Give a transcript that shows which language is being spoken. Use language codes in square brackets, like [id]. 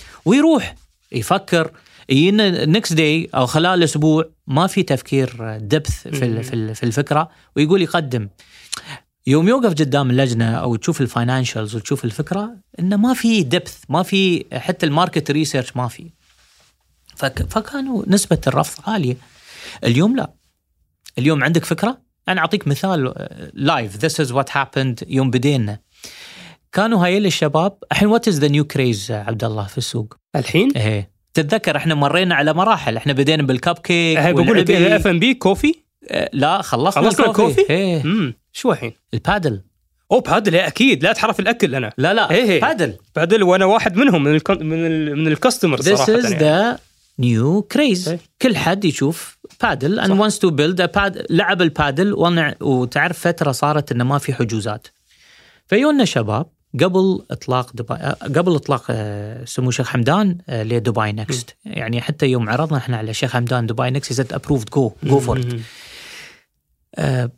[ar] ويروح يفكر يجينا [en] next day [ar] او خلال اسبوع ما في تفكير دبث في في الفكره، ويقول يقدم. يوم يوقف قدام اللجنة أو تشوف الفاينانشلز وتشوف الفكرة، إنه ما في دبث، ما في حتى الماركت ريسيرش ما في، فكانوا نسبة الرفض عالية. اليوم لا، اليوم عندك فكرة. أنا أعطيك مثال [en] live this is what happened. [ar] يوم بدينا كانوا هايل الشباب الحين [en] what is the new craze [ar] عبد الله في السوق الحين. إيه تتذكر إحنا مرينا على مراحل، إحنا بدينا بالكب كيك. بقولك F&B كوفي. لا خلصنا الكوفي. شو الحين؟ البادل. بادل اكيد، لا تحرف الاكل انا. لا لا هي. بادل وانا واحد منهم من الكاستمر صراحه. [en] This is the new craze. [ar] كل حد يشوف بادل [en] and wants to build a padel. [ar] لعب البادل وتعرف فتره صارت انه ما في حجوزات. فيونا شباب قبل اطلاق سمو الشيخ حمدان لدبي نكست. يعني حتى يوم عرضنا احنا على الشيخ حمدان دبي نكست [en] They'd approved go for it.